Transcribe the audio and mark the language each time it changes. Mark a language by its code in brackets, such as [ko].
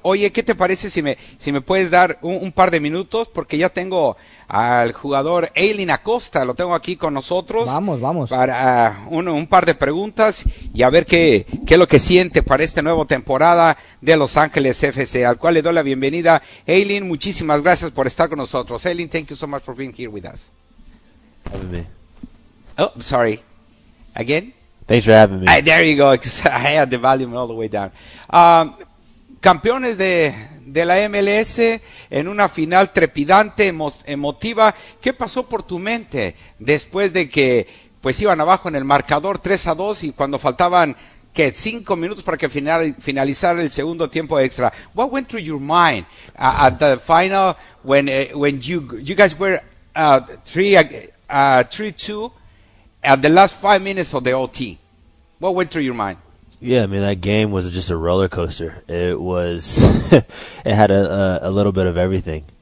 [es] Oye, ¿qué te parece si me puedes dar un par de minutos? Porque ya tengo al jugador Eileen Acosta, lo tengo aquí con nosotros. Vamos, vamos. Para un par de preguntas y a ver qué es lo que siente para esta nueva temporada de Los Ángeles FC, al cual le doy la bienvenida. Eileen, muchísimas gracias por estar con nosotros. [en] Eileen, thank you so much for being here with us. Having me. Oh, sorry. Again? Thanks for having me. There you go. I had the volume all the way down. [es] Campeones de la MLS en una final trepidante, emotiva. ¿Qué pasó por tu mente después de que pues iban abajo en el marcador 3-2 y cuando faltaban que 5 minutos para que finalizara el segundo tiempo extra? [en] What went through your mind at the final when you guys were 3-2 at the last 5 minutes of the OT? What went through your mind? Yeah, I mean, that game was just a roller coaster. It was, it had a little bit of everything.